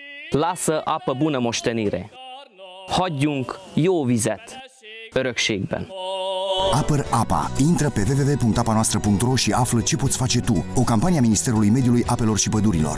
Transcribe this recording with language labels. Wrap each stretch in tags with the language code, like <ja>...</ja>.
<ro>Lasă apă bună moștenire.</ro> <hu>Hagyjunk jó vizet örökségben.</hu> <ro>Apăr Apa. Intră pe www.apanoastră.ro și află ce poți face tu. O campanie a Ministerului Mediului, Apelor și Pădurilor.</ro>